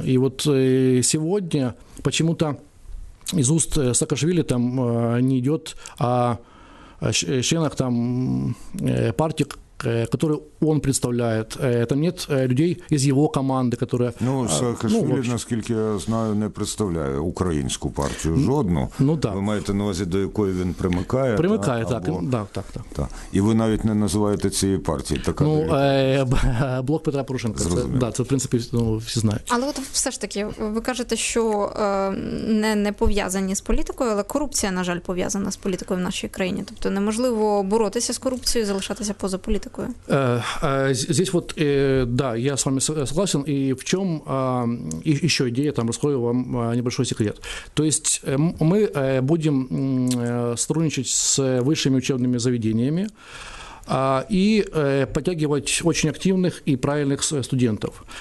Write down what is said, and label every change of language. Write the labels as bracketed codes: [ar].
[ru] И вот сегодня почему-то из уст Саакашвили там не идет о членах там партии, которые он представляет. Там нет людей из его команды, которые... Ну, Саакашвили, ну, [uk] наскільки я знаю, [ru] не представляет украинскую партию жодну. Ну, да. [uk] Вы маєте на увазі, до якої він примикає? Примикає, так. Або... Да, так, так. Да. И вы навіть не называете цієї партії? Так, ну, блок Петра Порошенка. Зрозуміло. Да, це, в принципі, ну, всі знають. Але от все ж таки, ви кажете, що не пов'язані з політикою, але корупція, на жаль, пов'язана з політикою в нашій країні. Тобто неможливо боротися з корупцією, залишатися поза політикою. [ru] Такое. Здесь вот, да, я с вами согласен, и в чем еще идея, там раскрою вам небольшой секрет. То есть мы будем сотрудничать с высшими учебными заведениями, и подтягивать очень активных и правильных студентов.